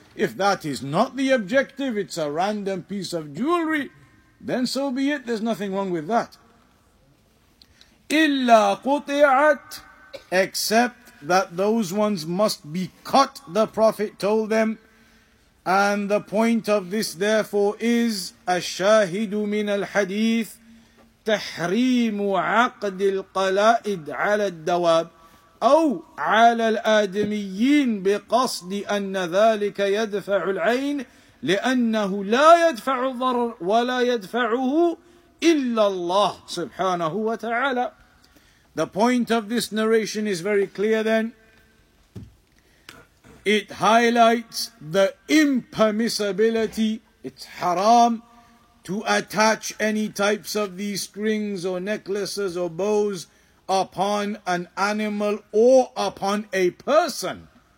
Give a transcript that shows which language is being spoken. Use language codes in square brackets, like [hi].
[en] If that is not the objective, it's a random piece of jewelry, then so be it, there's nothing wrong with that. [ar] إلا قطعت, [en] except that those ones must be cut, the Prophet told them. And the point of this therefore is, [ar] الشاهد من الحديث تحريم عقد القلائد على الدواب أو على الآدميين بقصد أن ذلك يدفع العين لأنه لا يدفع الضرر ولا يدفعه إلا الله سبحانه وتعالى. [en] The point of this narration is very clear then. It highlights the impermissibility, it's haram, to attach any types of these strings or necklaces or bows upon an animal or upon a person